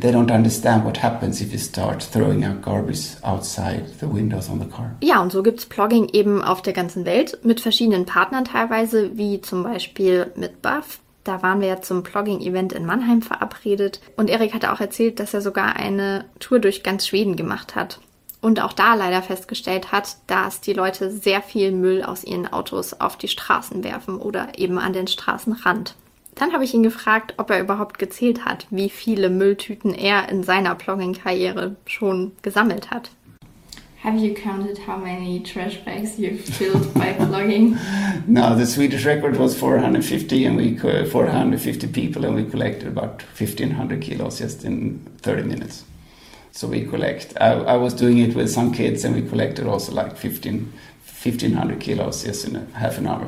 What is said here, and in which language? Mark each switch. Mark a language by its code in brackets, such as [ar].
[en] They don't understand what happens if you start throwing out garbage outside the windows on the car. [de] Ja, und so gibt's Plogging eben auf der ganzen Welt mit verschiedenen Partnern teilweise, wie zum Beispiel mit Buff. Da waren wir ja zum Plogging-Event in Mannheim verabredet. Und Erik hatte auch erzählt, dass er sogar eine Tour durch ganz Schweden gemacht hat. Und auch da leider festgestellt hat, dass die Leute sehr viel Müll aus ihren Autos auf die Straßen werfen oder eben an den Straßenrand. Dann habe ich ihn gefragt, ob er überhaupt gezählt hat, wie viele Mülltüten er in seiner Plogging-Karriere schon gesammelt hat. [en] Have you counted how many trash bags you've filled by plogging? No, the Swedish record was 450 and we 450 people and we collected about 1500 kilos just in 30 minutes. So we collect, I was doing it with some kids and we collected also like 1500 kilos just in half an hour.